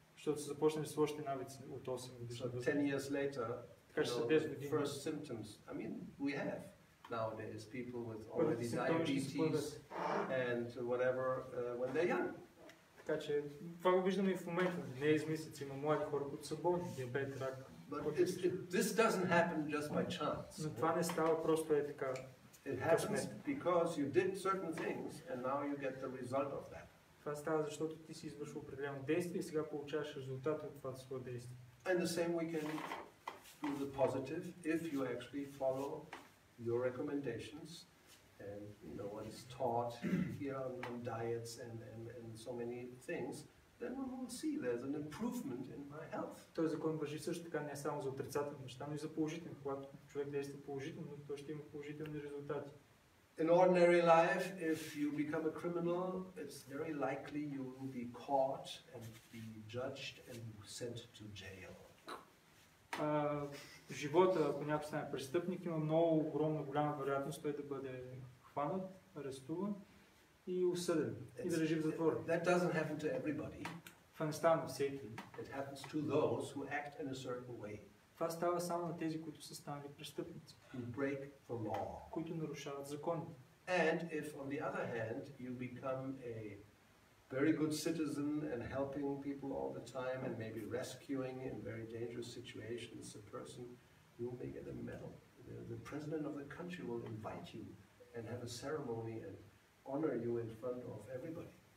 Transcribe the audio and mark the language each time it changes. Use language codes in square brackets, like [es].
[bg] Защото са започнали с лошите навици от 8 години. [en] So 10 years later, the first symptoms, I mean, we have. Nowadays, people with already diabetes and whatever, when they're young. [bg] Така че, това го виждаме и в момента, не е измислица, има млади хора, които са болни, диабет, рак. [en] This doesn't happen just by chance. [bg] Но това не става просто е така. [en] It happens because you did certain things and now you get the result of that. [bg] Това става, защото ти си извършил определено действие и сега получаваш резултат от това своя действие. [en] And the same we can do the positive if you actually follow your recommendations and you know what is taught here on diets and so many things, then we will see there's an improvement in my health. [bg] Този закон важи също така не само за отрицателни неща, но и за положителни. Когато човек действа положително, той ще има положителни резултати. [en] In ordinary life, if you become a criminal, it's very likely you will be caught and be judged and sent to jail. [bg] В живота, ако някой стане престъпник, има много огромна голяма вероятност той да бъде хванат, арестуван и осъден и да лежи в затвора. [en] That doesn't happen to everybody. [bg] Това не става на всеки. [en] It happens to those who act in a certain way. [bg] Това става само на тези, които са станали престъпници. [en] Who break the law. [bg] Които нарушават закон. [en] And if on the other hand you become a very good citizen and helping people all the time and maybe rescuing in very dangerous situations, a person who may get a medal. The president of the country will invite you and have a ceremony and honor you in front of everybody.